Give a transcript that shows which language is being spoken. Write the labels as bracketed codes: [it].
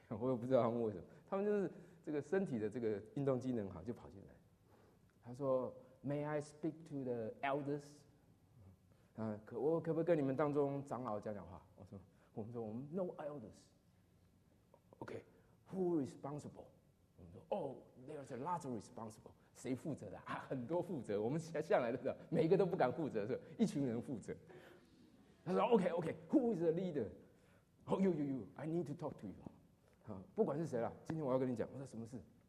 [zh] 我也不知道他们为什么，他们就是这个身体的这个运动机能好，就跑进来。他说 [en] ：“May I speak to the elders？” [zh] 我可不可以跟你们当中长老讲讲话？我们说我们 [en] no elders。 OK。 Who responsible？ [zh] 我们说 [en] ，Oh, there's a lot of responsible。 [zh] 谁负责的啊？很多负责。我们向来都是每一个都不敢负责，是一群人负责。他说 [en] ，OK，OK。Who is the leader？ Oh, you。 I need to talk to you。 [zh] 不管是谁了，今天我要跟你讲。我说什么事？